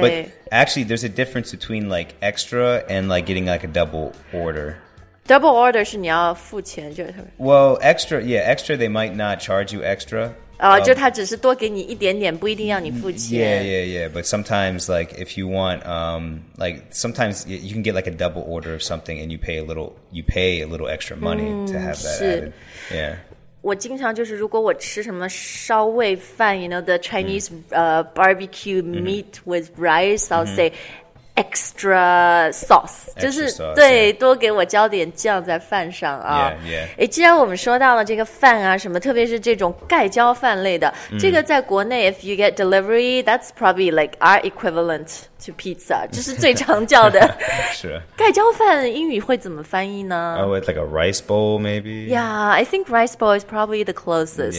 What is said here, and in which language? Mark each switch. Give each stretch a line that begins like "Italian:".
English: But actually there's a difference between like extra and like getting like a double order
Chinese: Double order 是你要付钱就是
English: Well extra yeah extra they might not charge you extra
Chinese: 就他只是多给你一点点不一定要你付钱
English: Yeah yeah yeah But sometimes like if you want like sometimes you can get like a double order of something and you pay a little extra money to have that added Yeah
Chinese: 我经常就是如果我吃什么烧味饭
English: You know the Chinese barbecue meat with rice I'll say extra sauce
Chinese: 就是
English: sauce, 对、 yeah.
Chinese: 多给我浇点酱在饭上、啊、
English: Yeah, yeah
Chinese: 既然我们说到了这个饭啊什么特别是这种盖浇饭类的、这个在国内
English: If you get delivery That's probably like our equivalent to pizza
Chinese: 就是最常叫的是盖浇饭英语会怎么翻译呢
English: Oh, it's like a rice bowl maybe Yeah, I think rice bowl is probably the closest